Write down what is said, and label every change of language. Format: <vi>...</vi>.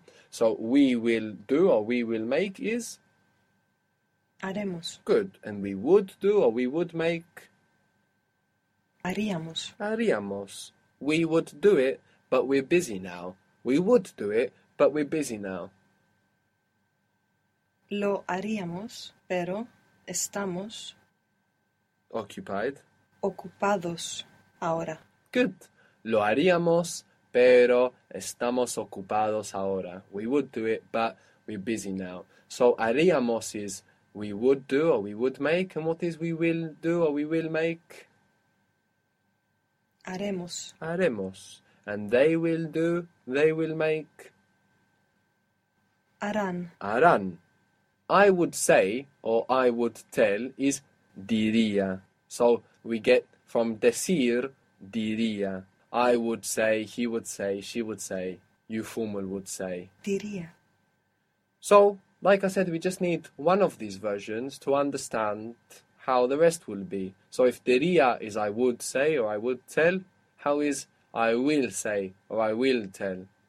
<en>So we will do or we will make is</en> <es>Haremos.</es> <en>good, and we would do or we would make</en> <es>Haríamos. haríamos.</es> <en>We would do it, but we're busy now. We would do it, but we're busy now.</en> <es>Lo haríamos, pero estamos</es> <en>Occupied.</en> <es>ocupados ahora.</es> <en>Good.</en> <es>Lo haríamos, pero estamos ocupados ahora.</es> <en>We would do it, but we're busy now. So haríamos is we would do or we would make, and what is we will do or we will make?</en> <es>Haremos. Haremos.</es> <en>And they will do, they will make.</en> <es>Harán. Harán.</es> <en>I would say or I would tell is diría. So we get from decir, diría. I would say, he would say, she would say, you formal would say.</en> <es>Diría.</es> <en>So, like I said, we just need one of these versions to understand how the rest will be. So if diría is I would say or I would tell, how is I will say or I will tell?</en>